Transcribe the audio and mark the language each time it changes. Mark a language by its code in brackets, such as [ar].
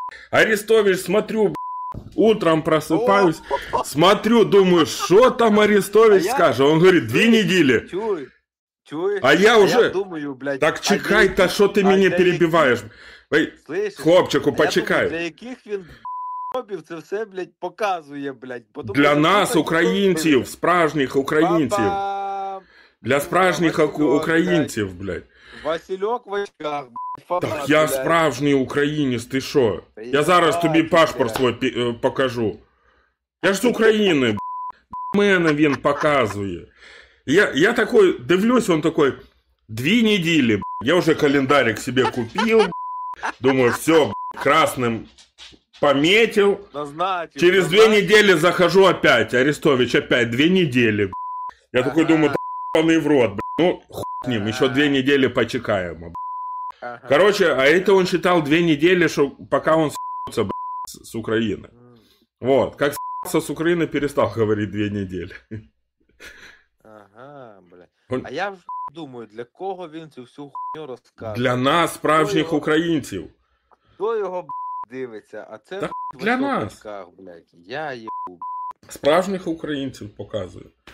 [ru] Арестович, смотрю, блядь. Утром просыпаюсь, смотрю, думаю, что там Арестович скажет. Он говорит, две недели. А я уже... Думаю, блядь, так [uk] чекай, [ru] то что ты меня перебиваешь? Эй, слышишь, [uk] хлопчику, почекай. [ru] Думаю, для каких [uk] він... Це все, блядь, показує, блядь. Подумай, для нас, українців, блядь, справжніх українців. Па-па! Для справжніх Васильок, українців, блядь. Васильок в очках, блядь. Фа-па, так, блядь. Я справжній українець, ти що? Я зараз тобі паспорт, блядь, свій покажу. Я ж з України, блядь. Мене він показує. Я такой, дивлюсь, він такой, дві неділі, блядь. Я вже календарик собі купив, блядь. [ru] Думаю, все, блядь, красним... Пометил. Да, значит, через да, две значит недели захожу опять. Арестович, опять две недели. Б**. Я а-а-а такой думаю, да ебаный в рот. Б**. Ну, хуй с ним, еще две недели [uk] почекаем. А-а-а. [ru] Короче, а это он считал две недели, что пока он с**ся, б**, с Украины. Вот, как с**ся с Украины, перестал говорить две недели. Ага, блядь. [uk] Он... А я думаю, для кого він цю всю хуйню розказує? Для нас, справжніх українців. Хто його, б**? Дивиться, а це так, для нас, кар, блядь. Я їбу, блядь. Справжніх українців показую.